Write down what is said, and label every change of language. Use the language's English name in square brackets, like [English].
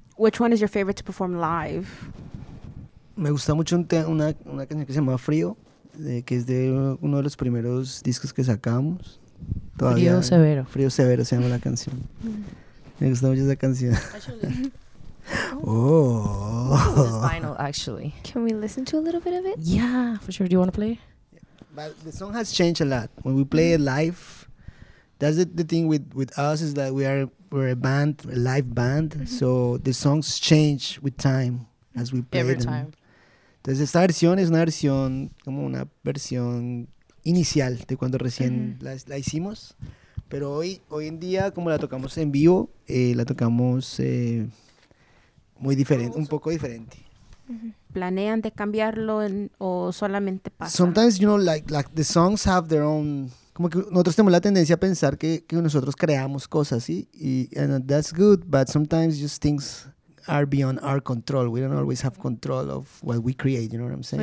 [English] Which one is your favorite to perform live? [Spanish] Me gusta mucho una canción que se llama Frío, que es de uno de los primeros discos que sacamos. Todavía, Frío Severo. Frío Severo se llama la canción. Me gusta mucho esa canción. [English] Oh. This is vinyl, actually. Can we listen to a little bit of it? Yeah, for sure. Do you want to play? But the song has changed a lot. When we play it live, that's the thing with us is that we're a band, a live band. Mm-hmm. So the songs change with time as we play every them. Time. [Spanish] Entonces esta versión es una versión como una versión inicial de cuando recién la hicimos, pero hoy en día como la tocamos en vivo, la tocamos muy diferente, un poco diferente. Mm-hmm. ¿Planean de cambiarlo o solamente pasa? [English] Sometimes you know like the songs have their own. [Spanish] Como que nosotros tenemos la tendencia a pensar que nosotros creamos cosas, ¿sí? [English] And that's good, but sometimes just things are beyond our control. We don't always have control of what we create, you know what I'm saying?